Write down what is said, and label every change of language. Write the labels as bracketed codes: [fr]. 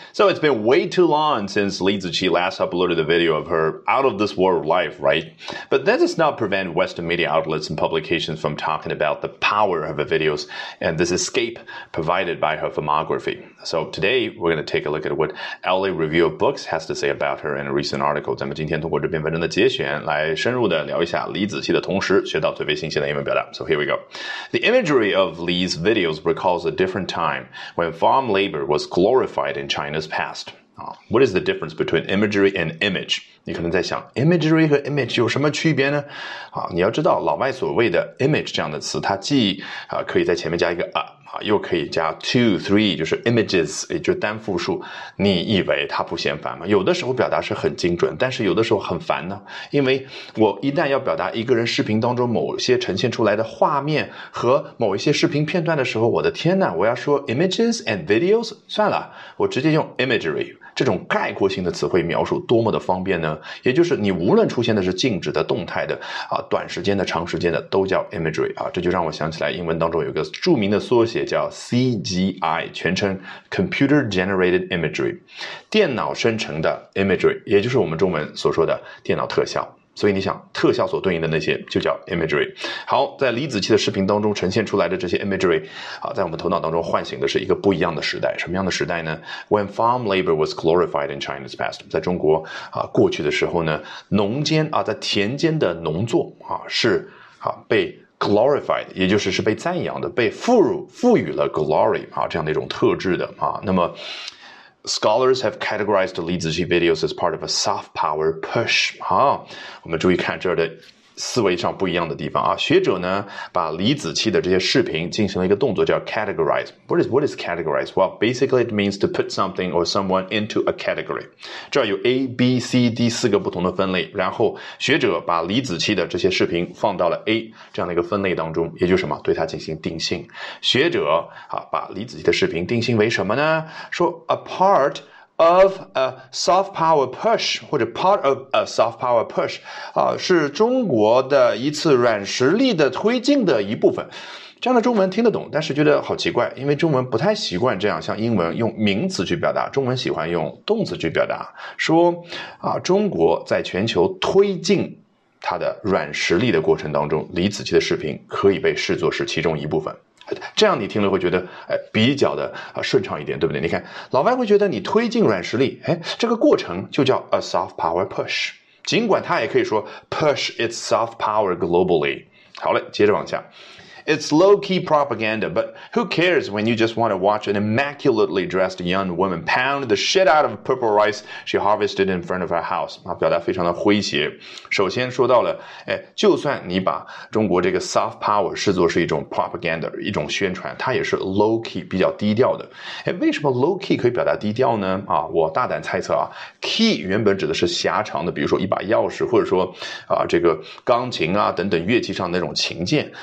[en] So it's been way too long since Li Ziqi last uploaded a video of her out of this world life, right? But that does not prevent Western media outlets and publications from talking about the power of her videos and this escape provided by her filmography. So today, we're going to take a look at what LA Review of Books has to say about her in a recent article. [zh] 咱们今天通过这篇文章的节选来深入的聊一下李子柒的同时学到最为新鲜的英文表达。 [en] So here we go. The imagery of Li's videos recalls a different time when farm labor was glorified in China's past. What is the difference between imagery and image? [zh] 你可能在想 imagery 和 image 有什么区别呢？你要知道老外所谓的 image 这样的词，它既可以在前面加一个 又可以加 two, three, 就是 images, 也就是单复数。你以为它不嫌烦吗？有的时候表达是很精准，但是有的时候很烦呢。因为我一旦要表达一个人视频当中某些呈现出来的画面和某一些视频片段的时候，我的天哪，我要说 [en] images and videos? [zh] 算了，我直接用 imagery。这种概括性的词汇描述多么的方便呢？也就是你无论出现的是静止的、动态的、短时间的、长时间的，都叫 imagery 啊。这就让我想起来英文当中有个著名的缩写叫 CGI， 全称 Computer Generated Imagery， 电脑生成的 imagery， 也就是我们中文所说的电脑特效。所以你想特效所对应的那些就叫 imagery。好，在李子柒的视频当中呈现出来的这些 imagery、在我们头脑当中唤醒的是一个不一样的时代。什么样的时代呢？ [en] When farm labor was glorified in China's past， [zh] 在中国、过去的时候呢，农间、在田间的农作、是、被glorified， 也就是被赞扬的，被赋予了 glory、这样的一种特质的、那么 [en] Scholars have categorized Li Ziqi videos as part of a soft power push. [zh] 我们注意看这儿的思维上不一样的地方啊。学者呢把李子柒的这些视频进行了一个动作叫 categorize. [en] What is categorize? Well, basically it means to put something or someone into a category. [zh] 这儿有 A, B, C, D 四个不同的分类，然后学者把李子柒的这些视频放到了 A 这样的一个分类当中，也就是什么？对它进行定性。学者把李子柒的视频定性为什么呢？说 [en] a partOf a soft power push, [zh] 或者 [en] part of a soft power push, [zh] 是中国的一次软实力的推进的一部分。这样的中文听得懂，但是觉得好奇怪，因为中文不太习惯这样，像英文用名词去表达，中文喜欢用动词去表达，说中国在全球推进它的软实力的过程当中，李子柒的视频可以被视作是其中一部分。这样你听了会觉得比较的顺畅一点，对不对？你看老外会觉得你推进软实力，这个过程就叫 a soft power push， 尽管他也可以说 [en] push its soft power globally。 [zh] 好嘞，接着往下。 [en] It's low-key propaganda, but who cares when you just want to watch an immaculately dressed young woman pound the shit out of purple rice she harvested in front of her house。 [zh] 表达非常的诙谐。首先说到了就算你把中国这个 soft power 视作是一种 propaganda， 一种宣传，它也是 low-key， 比较低调的。为什么 low-key 可以表达低调呢？我大胆猜测 key 原本指的是狭长的，比如说一把钥匙，或者说这个钢琴啊等等乐器上的那种琴键。